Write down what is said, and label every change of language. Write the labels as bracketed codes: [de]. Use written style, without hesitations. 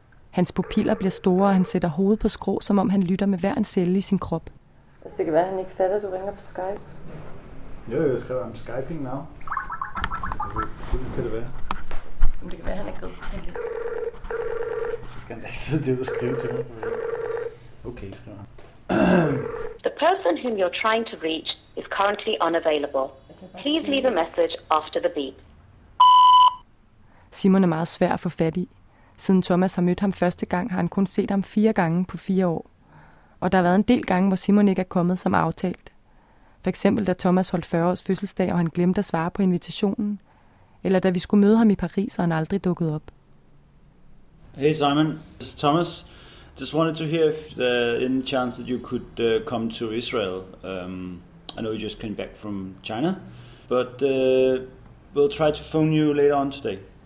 [da] Hans pupiller bliver store, og han sætter hovedet på skrå, som om han lytter med hver en celle i sin krop. Altså, det kan være, at han ikke fatter, at du ringer på Skype. Jo, jeg skriver om Skyping now. Altså, kan det være? Men det kan være, han ikke er gået på tallet. Så skal han da ikke sidde derude og skrive til mig. Okay, skriver han. [en] The person whom you're trying to reach is currently unavailable. Please leave a message after the beep. [da] Simon er meget svær at få fat i. Siden Thomas har mødt ham første gang, har han kun set ham 4 gange på 4 år. Og der har været en del gange, hvor Simon ikke er kommet som aftalt. For eksempel da Thomas holdt 40 års fødselsdag, og han glemte at svare på invitationen. Eller da vi skulle møde ham i Paris, og han aldrig dukkede op. [en] Hey Simon, this is Thomas. Just wanted to hear if there any chance that you could come to Israel. I know you just came back from China. But we'll try to phone you later on today.